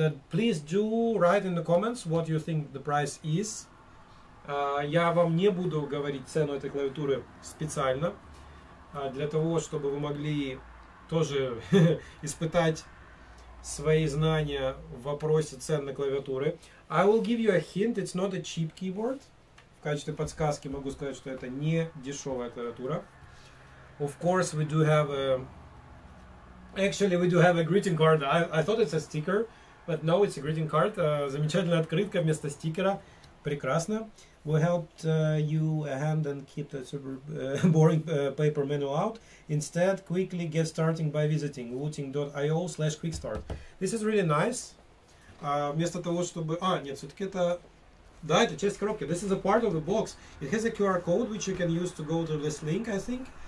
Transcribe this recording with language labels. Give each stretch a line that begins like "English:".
English: Please do write in the comments what you think the price is.
Russian: Я вам не буду говорить цену этой клавиатуры специально, для того, чтобы вы могли тоже испытать свои знания в вопросе цен на клавиатуры.
English: I will give you a hint, it's not a cheap keyboard.
Russian: В качестве подсказки могу сказать, что это не дешевая клавиатура.
English: Of course, we do have a... Actually, we do have a greeting card. I thought it's a sticker, but no, it's a greeting card.
Russian: Замечательная открытка вместо стикера. Прекрасно.
English: We helped you a hand and keep the super boring paper manual out. Instead, quickly get starting by visiting wooting.io/quickstart. This is really nice.
Russian: Вместо того, чтобы... А, нет, все-таки это... Да, это часть коробки.
English: This is a part of the box. It has a QR code, which you can use to go to this link, I think.